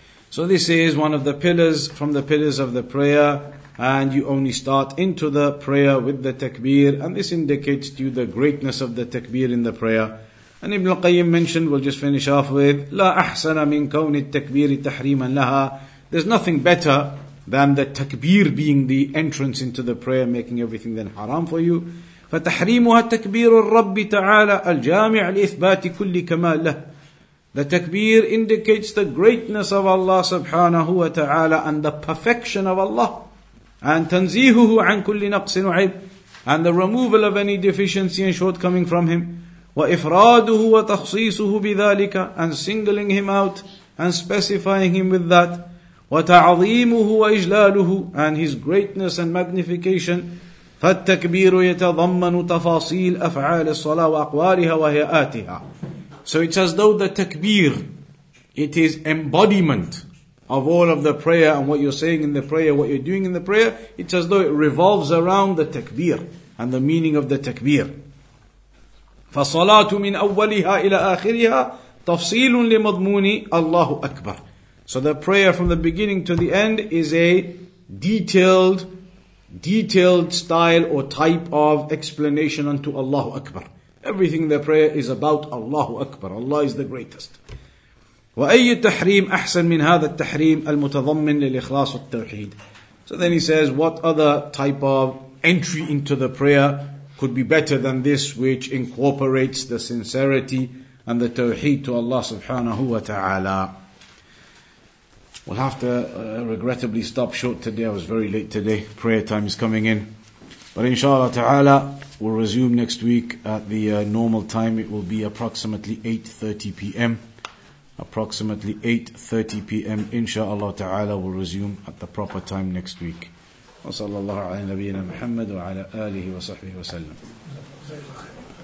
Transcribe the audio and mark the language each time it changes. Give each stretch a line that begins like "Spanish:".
English: So this is one of the pillars, from the pillars of the prayer, and you only start into the prayer with the takbir, and this indicates to you the greatness of the takbir in the prayer. And Ibn al-Qayyim mentioned, we'll just finish off with,
Arabic: لا أحسن من كون التكبير تحريما لها.
English: There's nothing better than the takbir being the entrance into the prayer, making everything then haram for you.
Arabic: فتحريمها تكبير الرب تعالى الجامع لإثبات كل كمال له.
English: The takbir indicates the greatness of Allah subhanahu wa ta'ala and the perfection of Allah. And
Arabic: تنزيهه عن كل نقص وعيب.
English: And the removal of any deficiency and shortcoming from him.
Arabic: وإفراده وتخصيصه بذلك,
English: and singling him out and specifying him with that.
Arabic: وتعظيمه وإجلاله,
English: and his greatness and magnification.
Arabic: فالتكبير يتضمن تفاصيل أفعال الصلاة وأقوالها وهيئاتها.
English: So it's as though the takbir, it is embodiment of all of the prayer and what you're saying in the prayer, what you're doing in the prayer. It's as though it revolves around the takbir and the meaning of the takbir.
Arabic: فصلاة من أولها إلى آخرها تفصيل لمضمون الله أكبر.
English: So the prayer from the beginning to the end is a detailed style or type of explanation unto Allah Akbar. Everything in the prayer is about Allah Akbar. Allah is the greatest.
Arabic: وأي تحريم أحسن من هذا التحريم المتضمن للإخلاص والتوحيد.
English: So then he says, what other type of entry into the prayer could be better than this, which incorporates the sincerity and the tawheed to Allah subhanahu wa ta'ala? We'll have to regrettably stop short today. I was very late today. Prayer time is coming in. But inshallah ta'ala, we'll resume next week at the normal time. It will be approximately 8:30 p.m. Approximately 8:30 p.m. inshallah ta'ala, we'll resume at the proper time next week.
Arabic: وصلى الله على نبينا محمد وعلى آله وصحبه وسلم.